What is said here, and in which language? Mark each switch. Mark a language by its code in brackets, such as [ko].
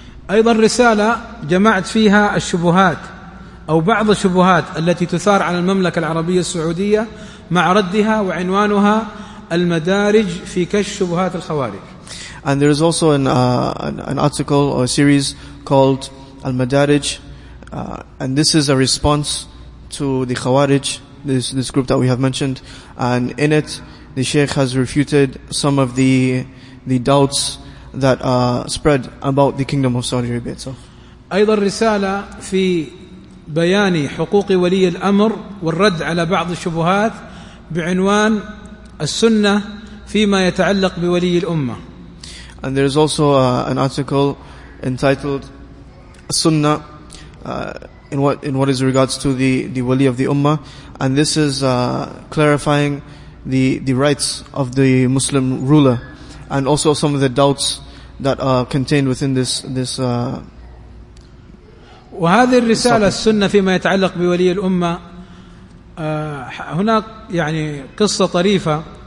[ar] أيضا رسالة جمعت فيها الشبهات أو بعض الشبهات التي تثار على المملكة العربية السعودية مع ردها، وعنوانها المدارج في كشف شبهات الخوارج. [en] And there is also an article or a series called Al-Madarij, and this is a response to the Khawarij, this group that we have mentioned. And in it, the Sheikh has refuted some of the doubts that spread about the Kingdom of Saudi Arabia itself. [ar] أيضا رسالة في بيان حقوق ولي الأمر والرد على بعض الشبهات بعنوان السنة فيما يتعلق بولي الأمة. [en] And there is also an article entitled "Sunnah" in what is regards to the wali of the ummah, and this is clarifying the rights of the Muslim ruler, and also some of the doubts that are contained within this. [ar] وهذه الرسالة السنة فيما يتعلق بولي الأمة. هناك يعني قصة طريفة.